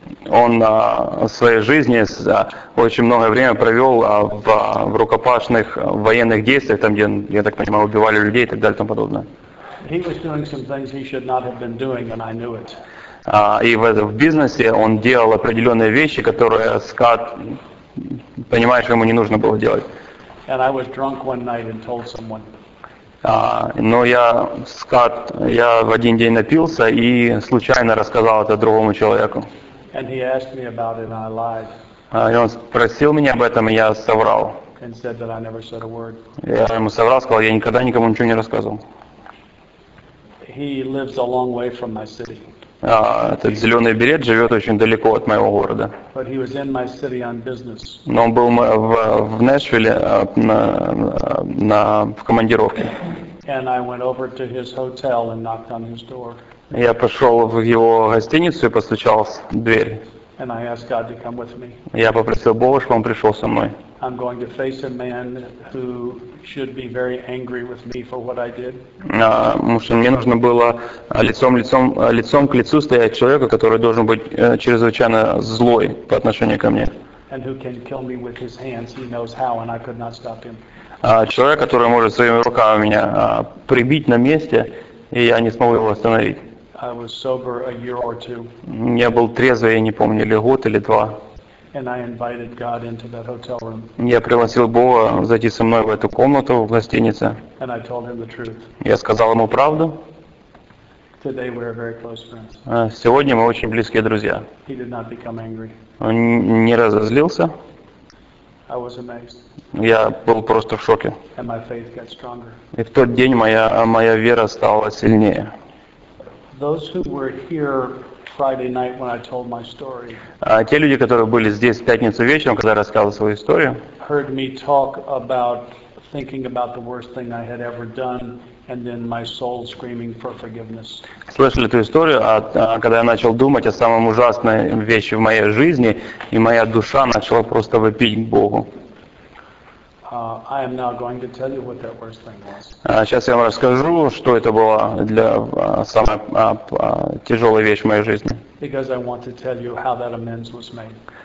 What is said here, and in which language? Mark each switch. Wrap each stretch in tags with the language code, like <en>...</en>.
<ru>Он в своей жизни очень много времени провел в рукопашных военных действиях, там, где, я так понимаю, убивали людей и так далее и тому подобное.</ru> <en>He was doing some things he should not have been doing, and I knew it.</en> <ru>И в бизнесе он делал определенные вещи, которые Скат, понимаешь, ему не нужно было делать.</ru> <en>And I was drunk one night and told someone.</en> <ru>Но я в один день напился и случайно рассказал это другому человеку.</ru> <en>And he asked me about it, and I lied.</en> <ru>И он спросил меня об этом, и я соврал.</ru> <en>And said that I never said a word.</en> <ru>Я ему соврал, сказал, я никогда никому ничего не рассказывал.</ru> <en>He lives a long way from my city.</en> <ru>Этот зеленый берет живет очень далеко от моего города.</ru> <en>But he was in my city on business.</en> <ru>Но он был в Нэшвилле в командировке.</ru> <en>And I went over to his hotel and knocked on his door.</en> <ru>Я пошел в его гостиницу и постучал в дверь.</ru> <en>And I asked God to come with me.</en> <ru>Я попросил Бога, чтобы он пришел со мной.</ru> <en>I'm going to face a man who should be very angry with me for what I did.</en> <ru>Потому что мне нужно было лицом к лицу стоять человека, который должен быть чрезвычайно злой по отношению ко мне.</ru> <en>And who can kill me with his hands? He knows how, and I could not stop him.</en> <ru>Человек, который может своими руками меня прибить на месте, и я не смог его остановить.</ru> <en>I was sober a year or two.</en> <ru>Я был трезвый, я не помню, или год, или два.</ru> <en>And I invited God into that hotel room.</en> <ru>Я пригласил Бога зайти со мной в эту комнату в гостинице.</ru> <en>And I told him the truth.</en> <ru>Я сказал ему правду.</ru> <en>Today we are very close friends.</en> <ru>Сегодня мы очень близкие друзья.</ru> <en>He did not become angry.</en> <ru>Он не разозлился.</ru> <en>I was amazed.</en> <ru>Я был просто в шоке.</ru> <en>And my faith got stronger.</en> <ru>И в тот день моя вера стала сильнее.</ru> <en>Those who were here Friday night when I told my story.</en> <ru>Те люди, которые были здесь в пятницу вечером, когда я рассказывал свою историю,</ru> <en>heard me talk about thinking about the worst thing I had ever done, and then my soul screaming for forgiveness.</en> <ru>Слышали эту историю, когда я начал думать о самом ужасной вещи в моей жизни, и моя душа начала просто вопить к Богу.</ru> <en>I am now going to tell you what that worst thing was.</en> <ru>Сейчас я вам расскажу, что это была для самая тяжелая вещь в моей жизни.</ru> <en>Because I want to tell you how that amends was made.</en>